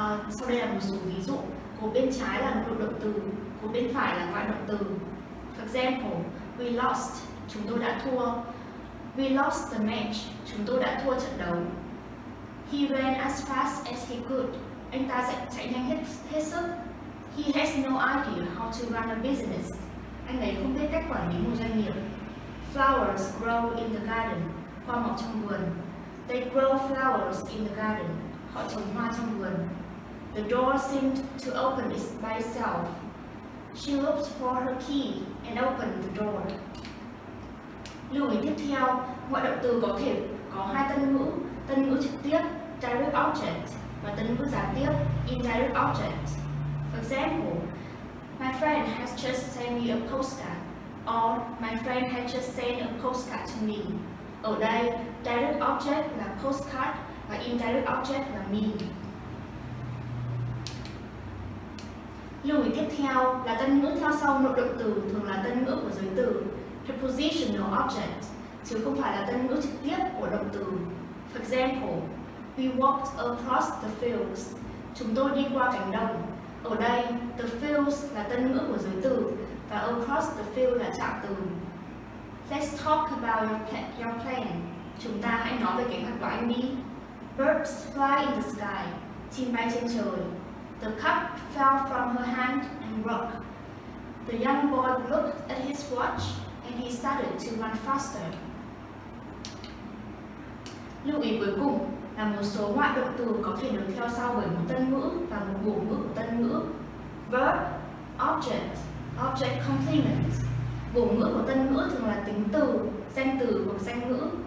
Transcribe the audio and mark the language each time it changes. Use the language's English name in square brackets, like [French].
[Vietnamese] Sau đây là một số ví dụ. Cổ bên trái là nội động từ, cổ bên phải là ngoại động từ. [English] For example, we lost. [Vietnamese] Chúng tôi đã thua. [English] We lost the match. [Vietnamese] Chúng tôi đã thua trận đấu. [English] He ran as fast as he could. [Vietnamese] Anh ta chạy nhanh hết sức. [English] He has no idea how to run a business. [Vietnamese] Anh ấy không biết cách quản lý một doanh nghiệp. [English] Flowers grow in the garden. [Vietnamese] Hoa mọc trong vườn. [English] They grow flowers in the garden. [Vietnamese] Họ trồng hoa trong vườn. [English] The door seemed to open it by itself. She looked for her key and opened the door. [Vietnamese] Lưu ý tiếp theo, ngoại động từ có thể có hai tân ngữ trực tiếp, direct object, và tân ngữ gián tiếp, indirect object. [English] For example, my friend has just sent me a postcard, or my friend has just sent a postcard to me. [Vietnamese] Ở đây, direct object là postcard và indirect object là me. Lưu ý tiếp theo là tân ngữ theo sau nội động từ thường là tân ngữ của giới từ, prepositional object, chứ không phải là tân ngữ trực tiếp của động từ. [English] For example, we walked across the fields. [Vietnamese] Chúng tôi đi qua cánh đồng. Ở đây, the fields là tân ngữ của giới từ và [English] across the field [Vietnamese] là trạng từ. [English] Let's talk about your plan. [Vietnamese] Chúng ta hãy nói về kế hoạch của anh đi. [English] Birds fly in the sky. [Vietnamese] Chim bay trên trời. [English] The cup fell from her hand and broke. The young boy looked at his watch and he started to run faster. [Vietnamese] Lưu ý cuối cùng là một số ngoại động từ có thể được theo sau bởi một tân ngữ và một bổ ngữ của tân ngữ. [English] Verb, object, object complement. [Vietnamese] Bổ ngữ của tân ngữ thường là tính từ hoặc danh ngữ.